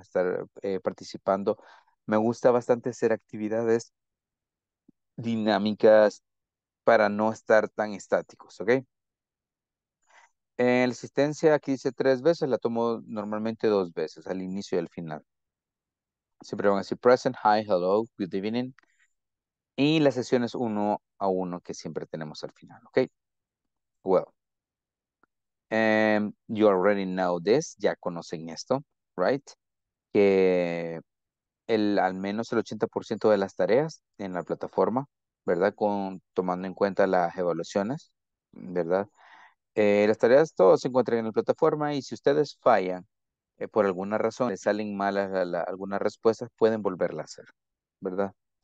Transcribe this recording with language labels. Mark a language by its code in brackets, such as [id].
[es] Estar participando. Me gusta bastante hacer actividades dinámicas para no estar tan estáticos, ¿ok? La asistencia aquí dice 3 veces, la tomo normalmente 2 veces, al inicio y al final. Siempre van a decir [en] present, hi, hello, good evening. [es] Y las sesiones 1 a 1 que siempre tenemos al final, ¿ok? [en] Well, you already know this, [es] ya conocen esto, right? Que al menos el 80% de las tareas en la plataforma ¿verdad? Con tomando en cuenta las evaluaciones, ¿verdad? Las tareas todas se encuentran en la plataforma y si ustedes fallan por alguna razón, les salen malas algunas respuestas, pueden volverla a hacer, ¿verdad?